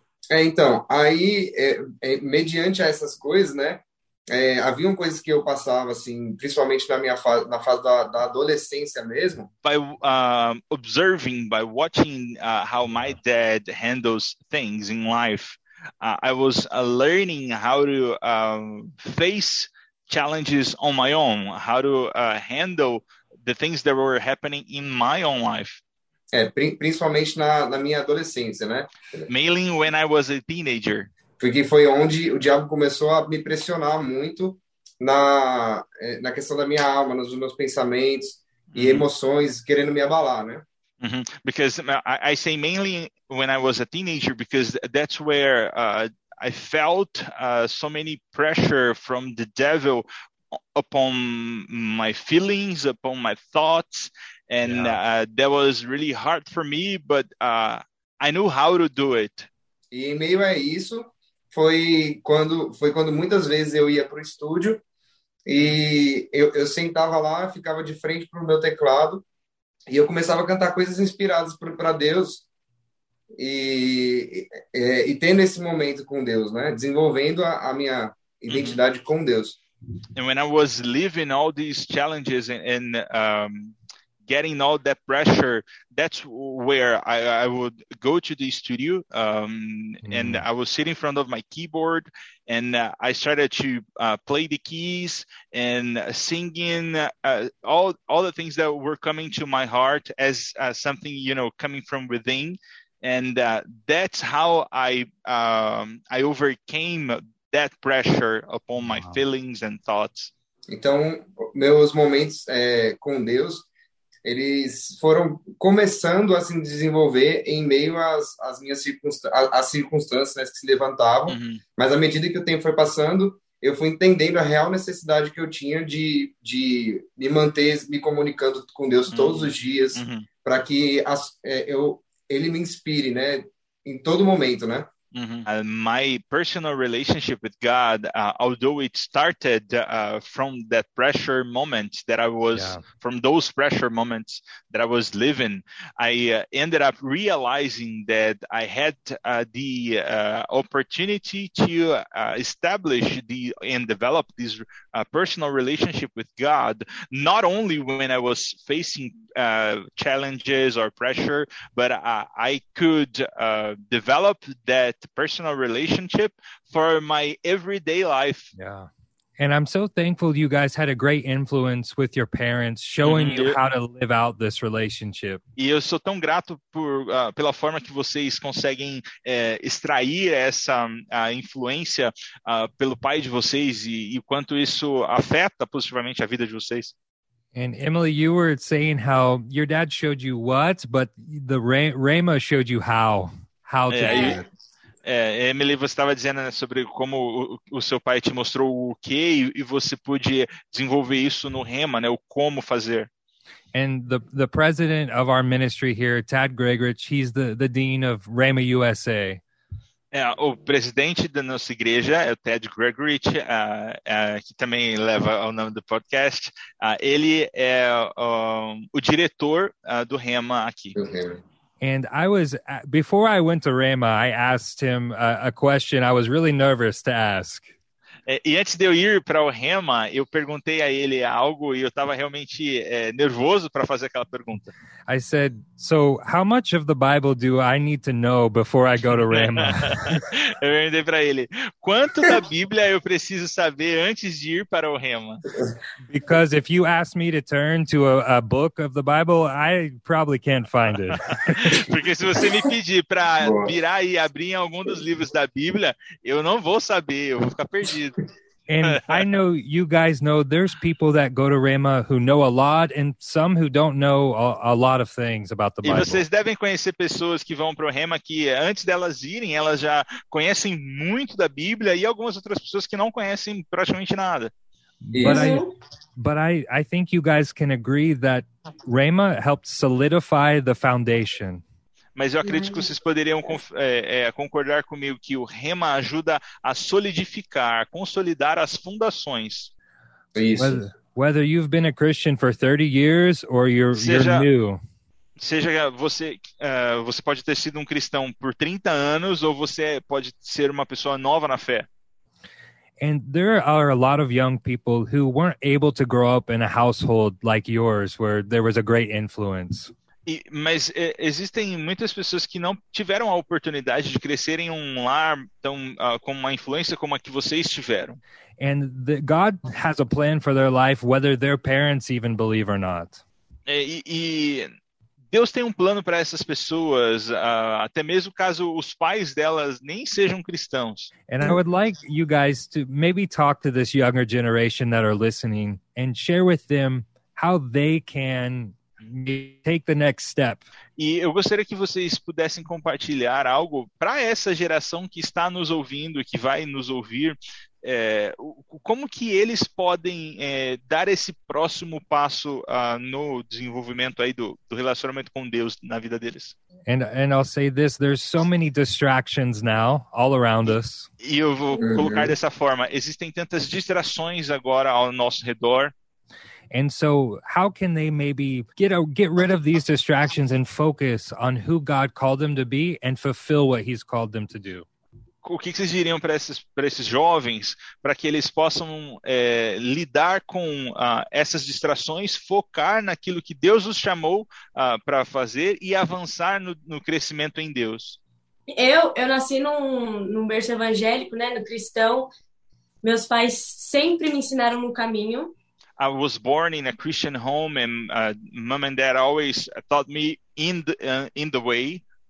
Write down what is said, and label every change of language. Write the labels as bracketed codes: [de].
[pt] Então, aí, mediante essas coisas, né, haviam coisas que eu passava assim, principalmente na fase da adolescência mesmo. [en] By observing, by watching how my dad handles things in life, I was learning how to face challenges on my own, how to handle the things that were happening in my own life. [pt] Principalmente na minha adolescência, né? [en] Mainly when I was a teenager. [pt] Porque foi onde o diabo começou a me pressionar muito na questão da minha alma, nos meus pensamentos e emoções, querendo me abalar, né? [en] Because I say mainly when I was a teenager, because that's where I felt so many pressure from the devil upon my feelings, upon my thoughts, and that was really hard for me, but I knew how to do it. [pt] E em meio a isso, foi quando muitas vezes eu ia para o estúdio e eu sentava lá, ficava de frente para o meu teclado e eu começava a cantar coisas inspiradas para Deus e tendo esse momento com Deus, né? Desenvolvendo a minha identidade com Deus. [en] And when I was living all these challenges and getting all that pressure, that's where I would go to the studio, and I was sitting in front of my keyboard, and I started to play the keys and singing all the things that were coming to my heart as something, you know, coming from within, and that's how I overcame that pressure upon my feelings and thoughts. [pt] Então, meus momentos com Deus eles foram começando a se desenvolver em meio às minhas circunstâncias, né, que se levantavam. Mas à medida que o tempo foi passando, eu fui entendendo a real necessidade que eu tinha de me manter me comunicando com Deus todos os dias, para que ele me inspire, né, em todo momento, né? [en] My personal relationship with God, although it started from that pressure moment that I was, from those pressure moments that I was living, I ended up realizing that I had the opportunity to establish and develop this personal relationship with God, not only when I was facing challenges or pressure, but I could develop that personal relationship for my everyday life. And I'm so thankful you guys had a great influence with your parents, showing you how to live out this relationship. [pt] E eu sou tão grato pela forma que vocês conseguem extrair essa influência pelo pai de vocês e quanto isso afeta positivamente a vida de vocês. [en] And Emily, you were saying how your dad showed you what, but the Rhema showed you how to do it. [pt] Emily, você estava dizendo, né, sobre como o seu pai te mostrou o quê e você pôde desenvolver isso no Rhema, né, o como fazer. [en] And the president of our ministry here, Tad Gregorich, he's the dean of Rhema USA. [pt] O presidente da nossa igreja é o Tad Gregorich, que também leva o nome do podcast. Ele é o diretor do Rhema aqui. [en] And I was, before I went to Rhema, I asked him a question I was really nervous to ask. [pt] E antes de eu ir para o Rhema, eu perguntei a ele algo e eu estava realmente nervoso para fazer aquela pergunta. [en] I said, so how much of the Bible do I need to know before I go to Rhema? [pt] Eu perguntei para ele, quanto da Bíblia eu preciso saber antes de ir para o Rhema? [en] Because if you ask me to turn to a book of the Bible, I probably can't find it. [pt] Porque se você me pedir para virar e abrir em algum dos livros da Bíblia, eu não vou saber, eu vou ficar perdido. [en] And I know you guys know there's people that go to Rhema who know a lot and some who don't know a lot of things about the Bible. [pt] E vocês devem conhecer pessoas que vão pro Rhema que antes delas irem, elas já conhecem muito da Bíblia e algumas outras pessoas que não conhecem praticamente nada. [en] But I think you guys can agree that Rhema helped solidify the foundation. [pt] Mas eu acredito que vocês poderiam concordar comigo que o Rhema ajuda a solidificar, consolidar as fundações. Isso. [en] Whether you've been a Christian for 30 years or you're new. [pt] Seja você pode ter sido um cristão por 30 anos ou você pode ser uma pessoa nova na fé. [en] And there are a lot of young people who weren't able to grow up in a household like yours where there was a great influence. [pt] Mas existem muitas pessoas que não tiveram a oportunidade de crescer em um lar tão com uma influência como a que vocês tiveram. [en] And God has a plan for their life, whether their parents even believe or not. [pt] E Deus tem um plano para essas pessoas, até mesmo caso os pais delas nem sejam cristãos. [en] And I would like you guys to maybe talk to this younger generation that are listening and share with them how they can take the next step. [pt] E eu gostaria que vocês pudessem compartilhar algo para essa geração que está nos ouvindo, que vai nos ouvir, como que eles podem dar esse próximo passo no desenvolvimento aí do relacionamento com Deus na vida deles. [en] And I'll say this, there's so many distractions now all around us. [pt] E eu vou colocar dessa forma, existem tantas distrações agora ao nosso redor. [en] And so how can they maybe get rid of these distractions and focus on who God called them to be and fulfill what he's called them to do? [pt] O que vocês diriam para esses jovens para que eles possam lidar com essas distrações, focar naquilo que Deus os chamou para fazer e avançar no crescimento em Deus? Eu nasci num berço evangélico, né, no cristão. Meus pais sempre me ensinaram no caminho. [en] I was born in a Christian home and mom and dad always taught me in the way.